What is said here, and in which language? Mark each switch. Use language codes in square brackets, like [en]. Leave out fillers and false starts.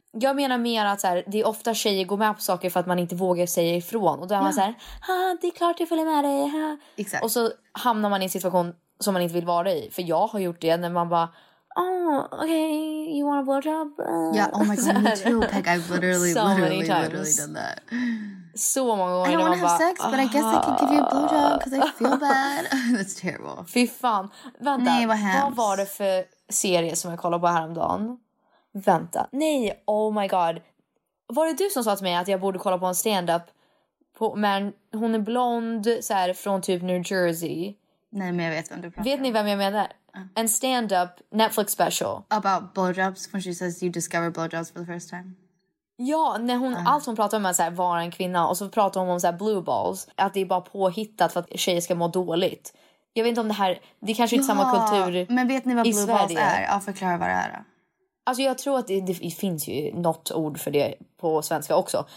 [sv] Jag menar mer att så här, det är ofta tjejer går med på saker för att man inte vågar säga ifrån. Och då är man så här, ha, det är klart jag följer med dig. Ha. Exakt. Och så hamnar man i en situation som man inte vill vara i. För jag har gjort det när man bara, [en] oh, okay, you want a blowjob? Yeah, oh my god, me too, Peck. I've literally done that. So many times. I don't want to have sex, but I guess I can give you a blowjob because I feel bad. That's terrible. [sv] Fy fan. Vänta, nej, vad var det för serie som jag kollade på häromdagen? Vänta. Nej, [en] oh my god. [sv] Var det du som sa till mig att jag borde kolla på en stand-up? På, men hon är blond, så här, från typ New Jersey. Nej, men jag vet vem du pratar. Vet ni vem jag menar? En stand-up Netflix special. [en] About blowjobs, when she says you discover blowjobs for the first time. [sv] Ja, när hon, allt hon pratar om är att vara en kvinna. Och så pratar hon om så här, blue balls. Att det är bara påhittat för att tjejer ska må dåligt. Jag vet inte om det här, det är kanske inte samma kultur. Men vet ni vad blue balls är? Ja, förklara vad det är då. Alltså jag tror att det finns ju något ord för det på svenska också.